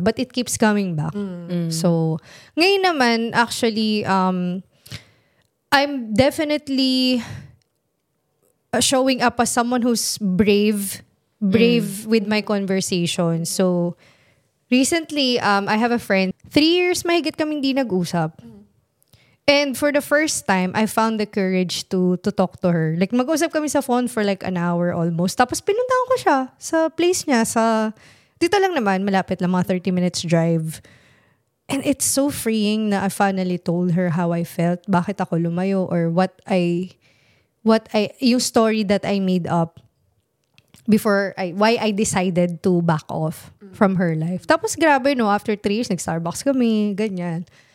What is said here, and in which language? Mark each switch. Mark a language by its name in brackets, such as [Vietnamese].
[English] But it keeps coming back. So, [Filipino] ngayon naman, [English] actually, I'm definitely showing up as someone who's brave with my conversation. So, recently, I have a friend. 3 years [Filipino] mahigit kami hindi nag-usap. [English] And for the first time, I found the courage to talk to her. Like, [Filipino] mag-usap kami sa [English] phone for like an hour almost. [Filipino] Tapos, pinuntahan ko siya sa place niya. Dito lang naman, malapit lang, mga 30 minutes drive. [English] And it's so freeing na I finally told her how I felt, [Filipino] bakit ako lumayo, or yung [English] story that I made up before, why I decided to back off from her life. [Filipino] Tapos, grabe, no, [English] after 3 years, [Filipino] nag-Starbucks kami, ganyan.